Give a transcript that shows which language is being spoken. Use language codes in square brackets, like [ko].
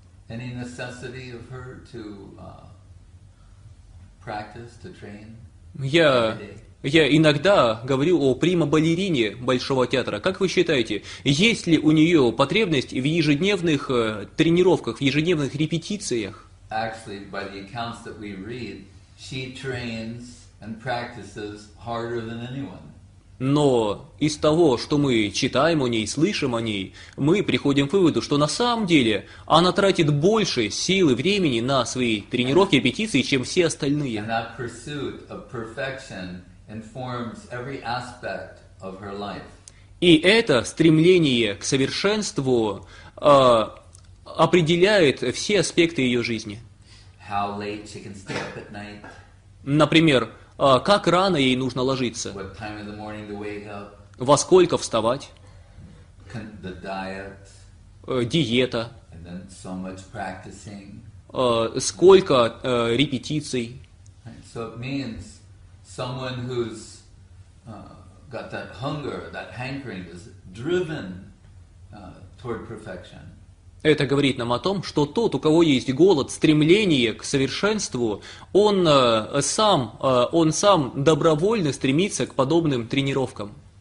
[en] Any necessity of her to practice, to train? [ru] Я иногда говорю о прима-балерине Большого театра. Как вы считаете, есть ли у нее потребность в ежедневных тренировках, в ежедневных репетициях? [en] Actually, by the accounts that we read, she trains and practices harder than anyone. [ru] Но из того, что мы читаем о ней, слышим о ней, мы приходим к выводу, что на самом деле она тратит больше сил и времени на свои тренировки, репетиции, чем все остальные. [en] And that pursuit of perfection informs every aspect of her life. [ru] И это стремление к совершенству определяет все аспекты ее жизни. [en] How late she can stay up at night. [ru] Например, как рано ей нужно ложиться? [en] What time of the morning to wake up? [ru] Во сколько вставать? [en] The diet. [ru] Диета. [en] And then so much practicing. [ru] Сколько репетиций? [en] So it means someone who's got that hunger, that hankering, is driven toward perfection. [ru] Это говорит нам о том, что тот, у кого есть голод, стремление к совершенству, он сам добровольно стремится к подобным тренировкам.